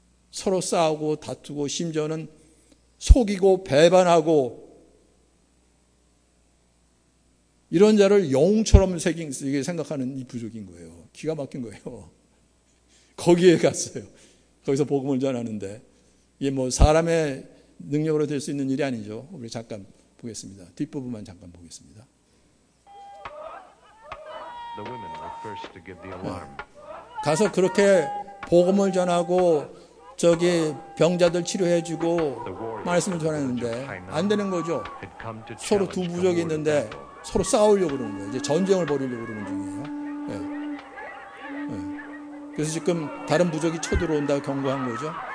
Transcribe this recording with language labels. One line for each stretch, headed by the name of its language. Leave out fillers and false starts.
Korean: 서로 싸우고 다투고 심지어는 속이고 배반하고 이런 자를 영웅처럼 생각하는 이 부족인 거예요. 기가 막힌 거예요. 거기에 갔어요. 거기서 복음을 전하는데 이게 뭐 사람의 능력으로 될 수 있는 일이 아니죠. 우리 잠깐 보겠습니다. 뒷부분만 잠깐 보겠습니다.
English: The women were first to give the alarm.
Korean: 가서 그렇게 복음을 전하고 저기 병자들 치료해주고 말씀을 전했는데 안 되는 거죠. 서로 두 부족이 있는데 서로 싸우려고 그러는 거예요. 이제 전쟁을 벌이려고 그러는 중이에요. 예. 예. 그래서 지금 다른 부족이 쳐들어온다고 경고한 거죠.